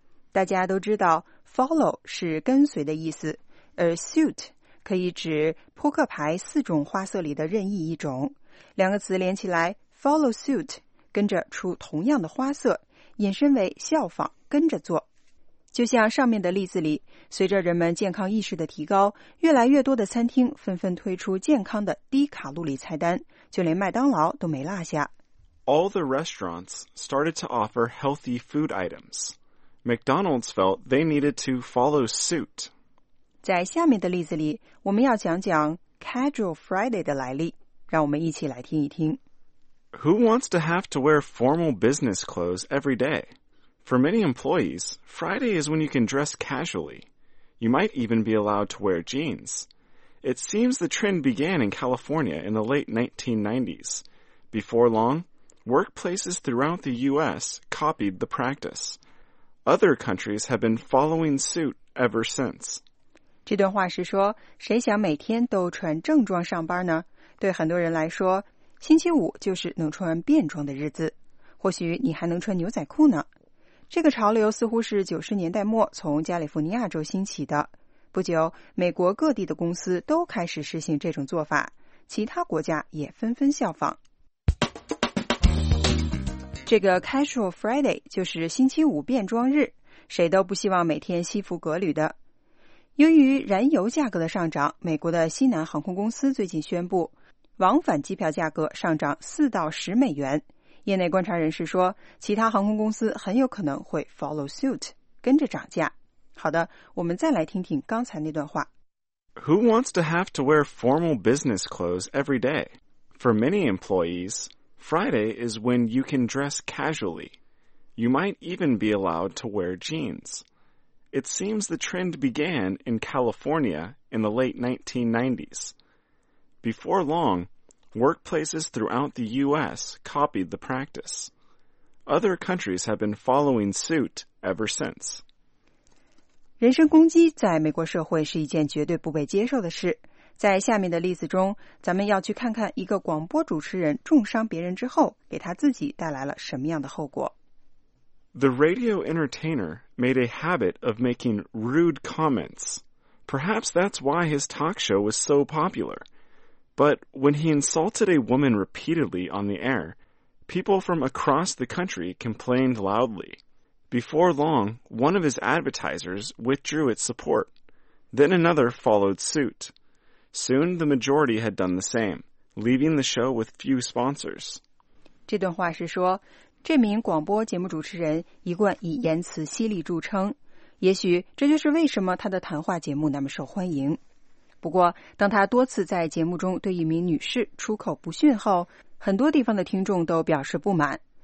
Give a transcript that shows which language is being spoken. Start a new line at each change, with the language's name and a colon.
Chinese: 大家都知道 follow 是跟随的意思，而 suit可以指扑克牌四种花色里的任意一种，两个词连起来 follow suit, 跟着出同样的花色，引申为效仿，跟着做。就像上面的例子里，随着人们健康意识的提高，越来越多的餐厅纷纷推出健康的低卡路里菜单，就连麦当劳都没落下。
English: All the restaurants started to offer healthy food items. McDonald's felt they needed to follow suit.
Chinese: 在下面的例子里，我们要讲讲 Casual Friday 的来历，让我们一起来听一听。
English: Who wants to have to wear formal business clothes every day? For many employees, Friday is when you can dress casually. You might even be allowed to wear jeans. It seems the trend began in California in the late 1990s. Before long, workplaces throughout the U.S. copied the practice. Other countries have been following suit ever since.
Chinese: 这段话是说，谁想每天都穿正装上班呢？对很多人来说，星期五就是能穿便装的日子，或许你还能穿牛仔裤呢。这个潮流似乎是90年代末从加利福尼亚州兴起的。不久，美国各地的公司都开始实行这种做法，其他国家也纷纷效仿。这个 Casual Friday 就是星期五便装日，谁都不希望每天西服革履的。由于燃油价格的上涨，美国的西南航空公司最近宣布，往返机票价格上涨$4-10。业内观察人士说，其他航空公司很有可能会 follow suit, 跟着涨价。好的，我们再来听听刚才那段话。
English: Who wants to have to wear formal business clothes every day? For many employees, Friday is when you can dress casually. You might even be allowed to wear jeans. It seems the trend began in California in the late 1990s. Before long, workplaces throughout the U.S. copied the practice. Other countries have been following suit ever since.
Chinese: 人身攻击在美国社会是一件绝对不被接受的事。在下面的例子中，咱们要去看看一个广播主持人重伤别人之后，给他自己带来了什么样的后果。
English: The radio entertainer made a habit of making rude comments. Perhaps that's why his talk show was so popular. But when he insulted a woman repeatedly on the air, people from across the country complained loudly. Before long, one of his advertisers withdrew its support. Then another followed suit. Soon the majority had done the same, leaving the show with few sponsors.
Chinese: 这段话是说，这名广播节目主持人一贯以言辞犀利著称，也许这就是为什么他的谈话节目那么受欢迎。不过，当他多次在节目中对一名女士出口不逊后，很多地方的听众都表示不满。